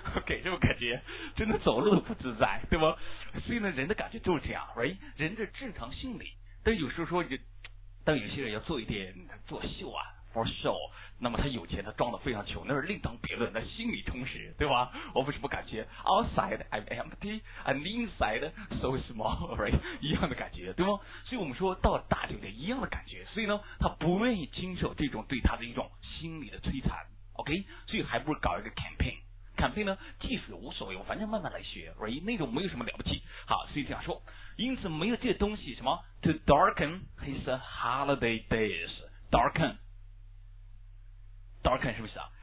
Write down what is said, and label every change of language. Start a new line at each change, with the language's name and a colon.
Chinese: OK， 这种感觉真的走路都不自在，对吗？所以呢，人的感觉就是这样， right？人的正常心理，但有时候说，但有些人要做一点作秀啊 ，
English: for show，
Chinese: 那么他有钱，他装得非常穷，那是另当别论，那心理充实，对吧？我为什么感觉
English: outside I'm empty and inside so small， right？
Chinese: 一样的感觉，对吗？所以我们说到大酒店一样的感觉。所以呢，他不愿意经受这种对他的一种心理的摧残 ，OK？所以还不如搞一个 campaign 呢，技术无所谓，我反正慢慢来学 ，right？那种没有什么了不起，好，所以这样说，因此没有这些东西什么
English: to darken his holiday days，
Chinese: darken 是不是啊？